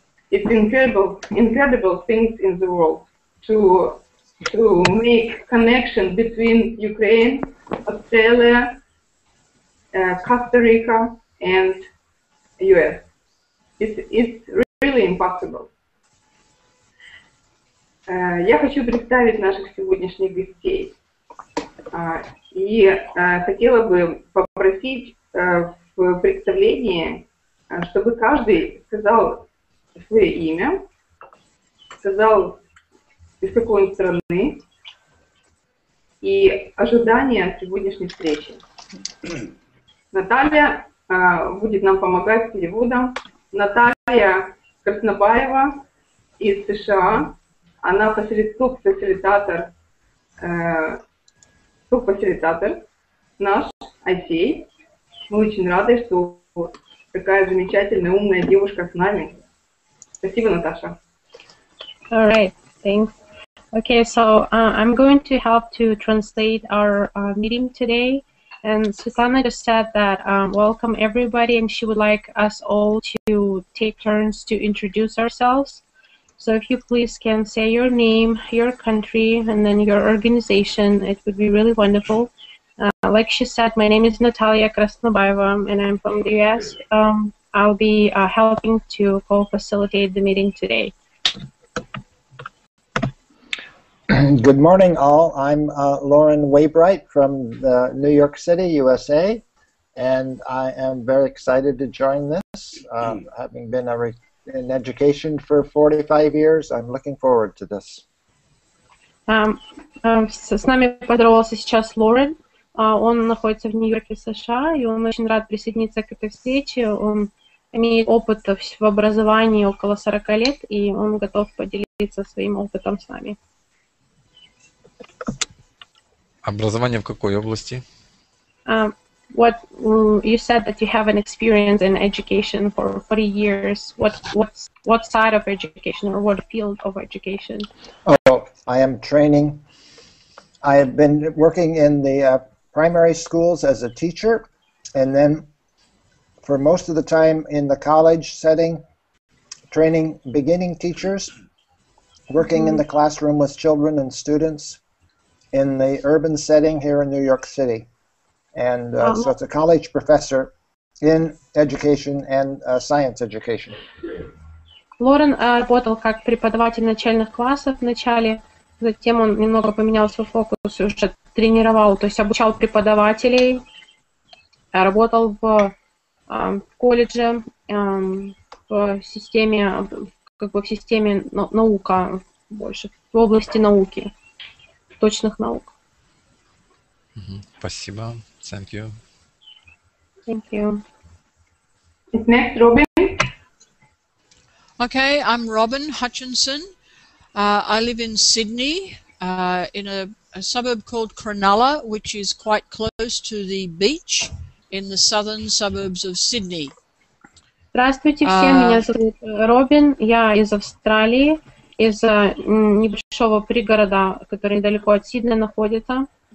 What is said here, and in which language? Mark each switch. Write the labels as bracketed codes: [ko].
[en] It's incredible things in the world to make connection between Ukraine, Australia, Costa Rica and US. It's really impossible. [ru] Я хочу представить наших сегодняшних гостей. Хотела бы попросить в представлении, чтобы каждый сказал свое имя, сказал, из какой страны, и ожидания сегодняшней встречи. Наталья будет нам помогать с переводом. Наталья Краснобаева из США. Она фасилитатор, субфасилитатор наш, Айсей. Мы очень рады, что такая замечательная, умная девушка с нами. Спасибо, Наташа. [en] All right, thanks. Okay, so I'm going to help to translate our meeting today. And Svetlana just said that welcome everybody, and she would like us all to take turns to introduce ourselves. So if you please can say your name, your country, and then your organization, it would be really wonderful. Like she said, my name is Natalia Krasnobaeva, and I'm from the U.S. I'll be helping to co-facilitate the meeting today. Good morning, all. I'm Lauren Waybright from the New York City, USA, and I am very excited to join this. Having been in education for 45 years, I'm looking forward to this. [ru] С нами поздоровался сейчас Лорен. Он находится в Нью-Йорке, США, и он очень рад присоединиться к этой встрече. Он имеет опыт в образовании около 40 лет, и он готов поделиться своим опытом с нами. Образование в какой области? [en] What you said that you have an experience in education for 40 years. What side of education or what field of education? Oh, I am training. I have been working in the primary schools as a teacher, and then for most of the time in the college setting, training beginning teachers, working in the classroom with children and students. In the urban setting here in New York City, and so it's a college professor in education and science education. [ru] Лорен работал как преподаватель начальных классов в начале, затем он немного поменял свой фокус и уже тренировал, то есть обучал преподавателей, работал в колледже, в системе, как бы в системе наука больше, в области науки. Точных наук. Спасибо. [en] Thank you. Thank you. Is next Robin? Okay, I'm Robin Hutchinson. I live in Sydney, in a suburb called Cronulla, which is quite close to the beach in the southern suburbs of Sydney. [ru] Здравствуйте всем, меня зовут Робин, я из Австралии. Из небольшого пригорода, который недалеко от Сиднея находится.